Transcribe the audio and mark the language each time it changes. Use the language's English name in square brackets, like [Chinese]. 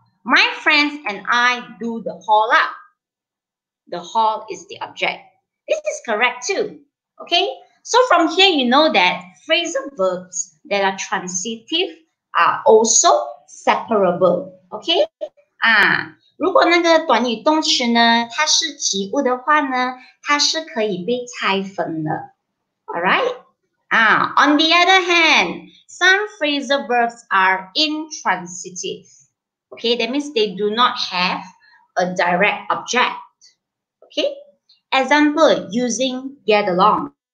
[English] My friends and I do the hall up. The hall is the object. This is correct too. Okay, so from here you know that phrasal verbs that are transitive are also separable. Okay, [Chinese] 如果那个短语动词呢，它是及物的话呢，它是可以被拆分的。 [English] All right? On the other hand, some phrasal verbs are intransitive. Okay, that means they do not have a direct object. Okay? Example, using get along.